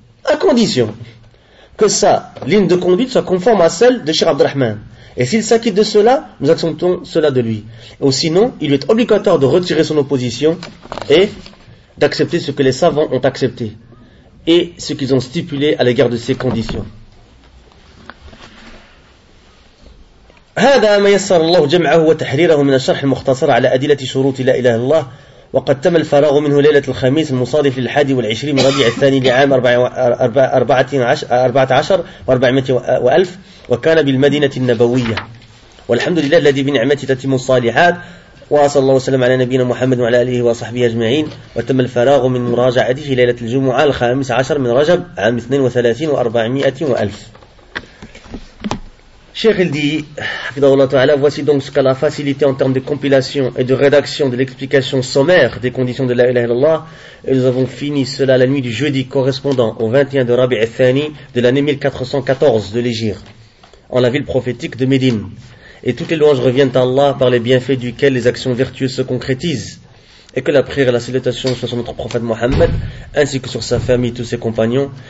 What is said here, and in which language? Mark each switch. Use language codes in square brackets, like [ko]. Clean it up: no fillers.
[fr] À condition que sa ligne de conduite soit conforme à celle de Cheikh Abd al-Rahman. Et s'il s'acquitte de cela, nous acceptons cela de lui. Ou sinon, il lui est obligatoire de retirer son opposition et d'accepter ce que les savants ont accepté. Et ce qu'ils ont stipulé à l'égard de ses conditions. [ar] هذا ما يسر الله جمعه وتحريره من الشرح المختصر على أدلة شروط لا إله الله وقد تم الفراغ منه ليلة الخميس المصادف للحادي والعشرين من ربيع الثاني لعام 14,400 وكان بالمدينة النبوية والحمد لله الذي بنعمته تتم الصالحات وصلى الله وسلم على نبينا محمد وعلى آله وصحبه أجمعين وتم الفراغ من مراجعته ليلة الجمعة 15 من رجب عام 32,400 [fr] Cheikh il dit, voici donc ce qu'Allah a facilité en termes de compilation et de rédaction de l'explication sommaire des conditions de la ilaha illallah. Et nous avons fini cela la nuit du jeudi correspondant au 21 de Rabi' al-Thani de l'année 1414 de l'Hégire, en la ville prophétique de Médine. Et toutes les louanges reviennent à Allah par les bienfaits duquel les actions vertueuses se concrétisent. Et que la prière et la salutation soient sur notre prophète Mohammed, ainsi que sur sa famille et tous ses compagnons.